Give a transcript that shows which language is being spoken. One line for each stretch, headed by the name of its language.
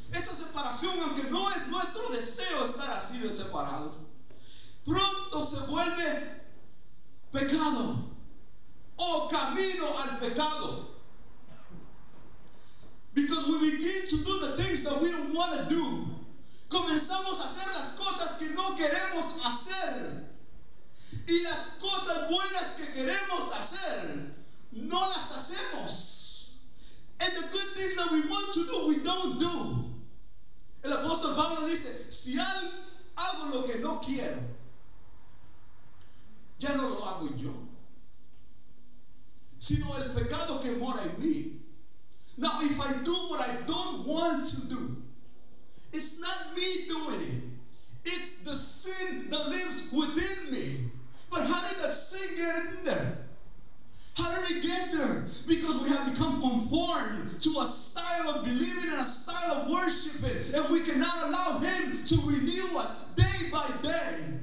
Spanish: Esa separación, aunque no es nuestro deseo estar así de separado, pronto se vuelve pecado, o camino al pecado.
English: Because we begin to do the things that we don't want to do.
Spanish: Comenzamos a hacer las cosas que no queremos hacer. Y las cosas buenas que queremos hacer, no las hacemos.
English: And the good things that we want to do, we don't do.
Spanish: El apóstol Pablo dice, si hago lo que no quiero, ya no lo hago yo, sino el pecado que mora en mí.
English: Now, if I do what I don't want to do, it's not me doing it. It's the sin that lives within me. But how did that sin get in there? How did it get there? Because we have become conformed to a style of believing and a style of worshiping, and we cannot allow Him to renew us day by day.